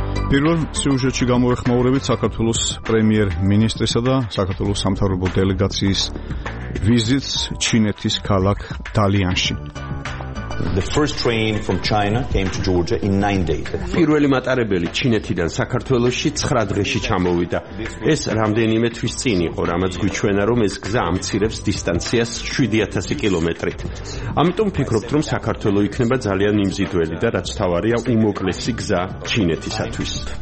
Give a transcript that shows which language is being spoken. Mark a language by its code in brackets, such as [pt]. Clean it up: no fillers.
[ka] პირველ სიუჟეტში გამოეხმაურებით საქართველოს პრემიერ-მინისტრისა და საქართველოს სამთავრობო დელეგაციის ვიზიტს ჩინეთის ქალაქ დალიანში. [en] The first train from China came to Georgia in 9 days. [ka] პირველი მატარებელი ჩინეთიდან საქართველოში 9 დღეში ჩამოვიდა. ეს რამდენიმე თვის წინ იყო, რამაც გვიჩვენა, რომ ეს გზა ამცირებს დისტანციას 7000 კილომეტრით. ამიტომ ვფიქრობთ, რომ საქართველო იქნება ძალიან მიმზიდველი და რაც თავარია, უმოკლესი გზა ჩინეთისათვის.